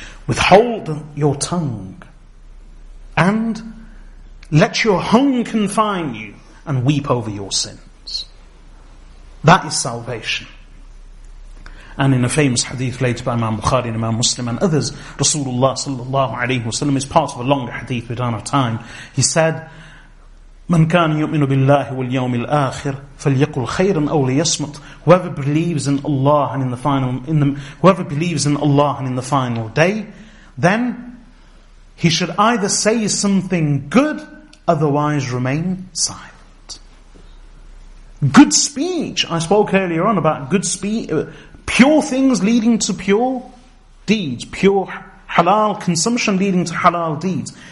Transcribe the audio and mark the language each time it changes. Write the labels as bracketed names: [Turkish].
[English] Withhold your tongue and let your home confine you and weep over your sins. That is salvation. And in a famous hadith related by Imam Bukhari and Imam Muslim and others, Rasulullah sallallahu alaihi wasallam is part of a longer hadith, we don't have time. He said, [Arabic] من كان يؤمن بالله واليوم الآخر فليقل خيرا أو ليصمت. [English] Whoever believes in Allah and in the final day, then he should either say something good, otherwise remain silent. Good speech. I spoke earlier on about good speech, pure things leading to pure deeds, pure halal consumption leading to halal deeds.